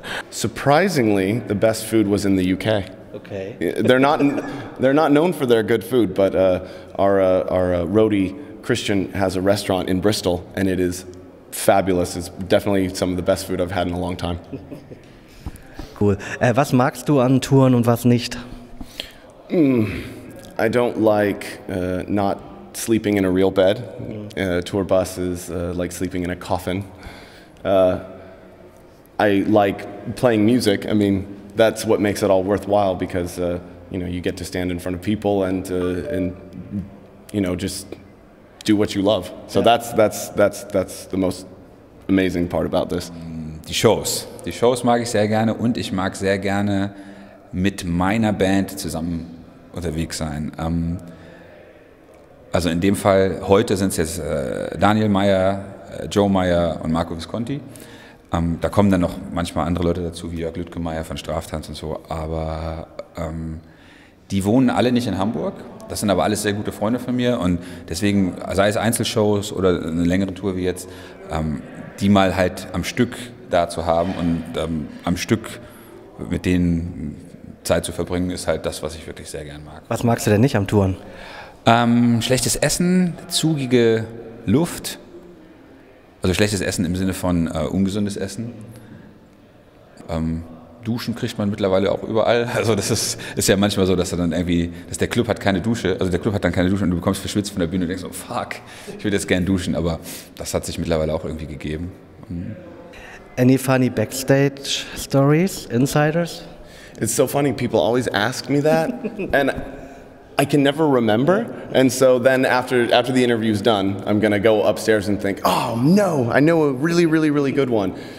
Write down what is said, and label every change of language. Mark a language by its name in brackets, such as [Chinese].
[English] Surprisingly, the best food was in the UK. Okay. They're not known for their good food, but our roadie Christian has a restaurant in Bristol, and it is fabulous. It's definitely some of the best food I've had in a long time. Cool. [German] Was magst du an Touren und was nicht? [English] I don't like not sleeping in a real bed. Tour bus is like sleeping in a coffin. I like playing music. I mean, that's what makes it all worthwhile, because you know, you get to stand in front of people and you know, just do what you love. So yeah. that's the most amazing part about this. [German] Die Shows mag ich sehr gerne, und ich mag sehr gerne mit meiner Band zusammen unterwegs sein. Also in dem Fall, heute sind es jetzt Daniel Meyer, Joe Meyer und Marco Visconti. Da kommen dann noch manchmal andere Leute dazu, wie Jörg Lütgemeier von Straftanz und so, aber die wohnen alle nicht in Hamburg. Das sind aber alles sehr gute Freunde von mir, und deswegen, sei es Einzelshows oder eine längere Tour wie jetzt, die mal halt am Stück da zu haben und am Stück mit denen Zeit zu verbringen, ist halt das, was ich wirklich sehr gern mag. Was magst du denn nicht am Touren? Schlechtes Essen, zugige Luft, Also schlechtes Essen im Sinne von ungesundes Essen. Duschen kriegt man mittlerweile auch überall. Also das ist ja manchmal so, dass er dann irgendwie, dass der Club hat keine Dusche, also der Club hat dann keine Dusche und du bekommst verschwitzt von der Bühne und denkst so, fuck, ich würde jetzt gern duschen, aber das hat sich mittlerweile auch irgendwie gegeben. [English] Any funny backstage stories, insiders? It's so funny, people always ask me that and I can never remember. And so then after the interview's done, I'm gonna go upstairs and think, oh no, I know a really, really, really good one.